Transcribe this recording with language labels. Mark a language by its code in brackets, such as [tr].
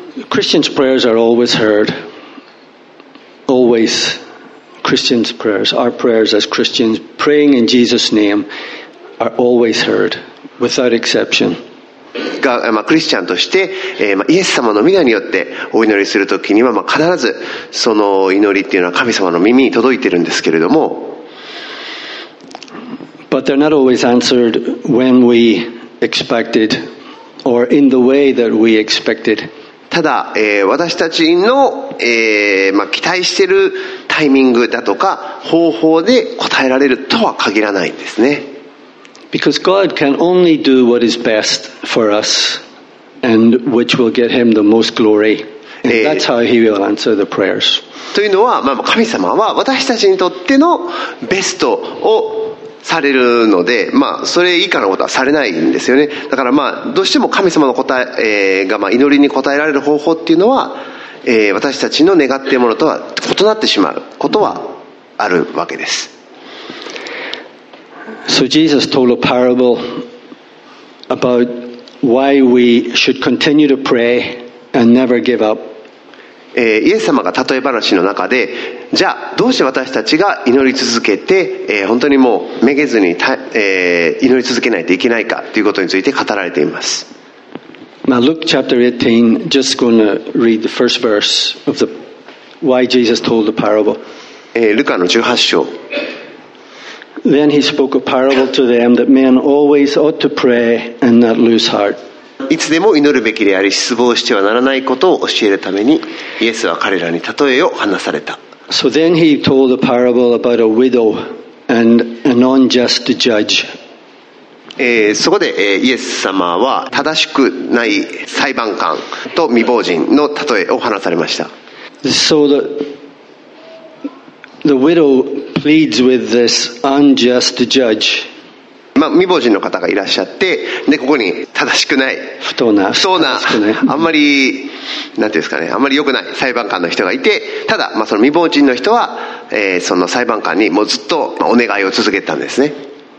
[en] Christians' prayers are always heard. Always Christians' prayers. Our prayers as Christians praying in Jesus' name are always heard without exception. [ja] クリスチャンとして、イエス様の御名によってお祈りするときには、必ずその祈りっていうのは神様の耳に届いているんですけれども。 [en] But they're not always answered when we expected or in the way that we expected. [ja] ただ、私たちの、期待しているタイミングだとか方法で答えられるとは限らないんですね。 [en] Because God can only do what is best for us and which will get him the most glory. And that's how he will answer the prayers. [ja] というのは、神様は私たちにとってのベストをされるので、それ以下のことはされないんですよね。だから、どうしても神様の答えが、祈りに応えられる方法っていうのは、私たちの願っているものとは異なってしまうことはあるわけです。 [en] So Jesus told a parable about why we should continue to pray and never give up. [ja] イエス様が例え話の中でじゃあどうして私たちが祈り続けて、本当にもうめげずに、祈り続けないといけないかということについて語られています [en] Now, Luke chapter 18 just going to read the first verse of the why Jesus told the parable、 [ja] ルカの18章 [en] Then he spoke a parable to them that men always ought to pray and not lose heart [ja] いつでも祈るべきであり失望してはならないことを教えるためにイエスは彼らに例えを話された。 [en] So then he told a parable about a widow and an unjust judge. [ja] そこで、イエス様は正しくない裁判官と未亡人の例えを話されました。 [en] So the widow pleads with this unjust judge. [ja] 未亡人の方がいらっしゃってでここに正しくない不当な、あんまりなんていうんですかねあんまり良くない裁判官の人がいてただ、その未亡人の人は、その裁判官にもうずっと、お願いを続けたんですね